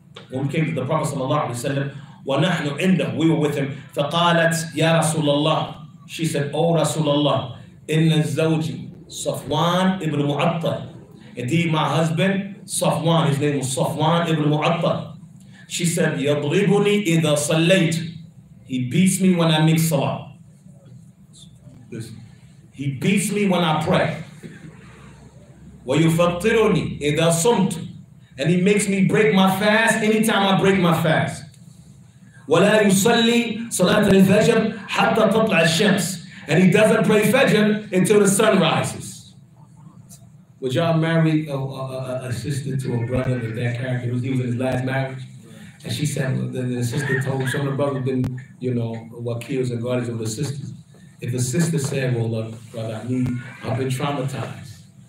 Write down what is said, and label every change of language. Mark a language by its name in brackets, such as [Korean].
[English] when we came to the Prophet sallallahu alaihi wasallam, [Arabic] ونحن عنده, [English] we were with him, [Arabic] فقالت يا رسول الله, [English] she said, oh رسول الله, [Arabic] إن الزوجي صفوان ابن معطل, [English] indeed my husband صفوان, his name was صفوان ابن معطل, she said, [Arabic] يضربني إذا صليت, [English] he beats me when I make salah, he beats me when I pray, [Arabic] ويفطرني إذا صمت, [English] and he makes me break my fast anytime I break my fast. [Arabic] ولا يصلي صلاة الفجر حتى تطلع الشمس. [English] And he doesn't pray Fajr until the sun rises. Would y'all marry a sister to a brother with that character? He was in his last marriage. And she said, well, then the sister told him, some of the brothers been, you know, wakils and guardians of the sisters. If the sister said, well, look, brother, I've been traumatized.